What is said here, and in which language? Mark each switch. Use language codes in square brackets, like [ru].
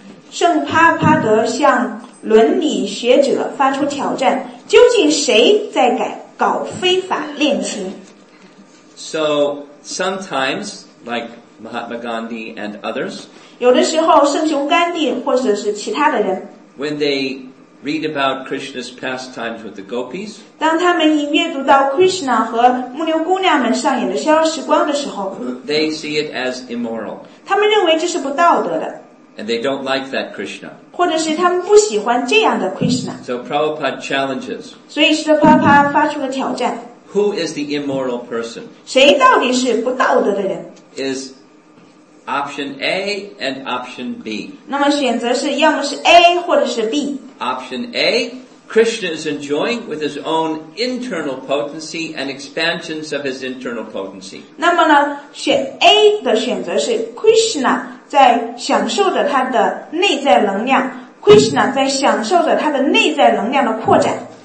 [zh] 圣帕帕德向伦理学者发出挑战，究竟谁在搞非法恋情？ [en] So sometimes, like Mahatma Gandhi and others, [zh] 有的时候圣雄甘地或者是其他的人， [en] when they read about Krishna's pastimes with the gopis, [zh] 当他们一阅读到 Krishna 和牧牛姑娘们上演的逍遥时光的时候， [en] they see it as immoral. [zh] 他们认为这是不道德的。 [en] And they don't like that Krishna. [zh] 或者是他们不喜欢这样的 Krishna. [en] So Prabhupada challenges. [zh] 所以释迦帕帕发出了挑战。 [en] Who is the immoral person? [zh] 谁到底是不道德的人？ [en] Is option A and option B. [zh] 那么选择是要么是 A 或者是 B. [en] Option A, Krishna is enjoying with his own internal potency and expansions of his internal potency. [zh] 那么呢，选 A 的选择是 Krishna. 在享受着他的内在能量 ，Krishna 在享受着他的内在能量的扩展。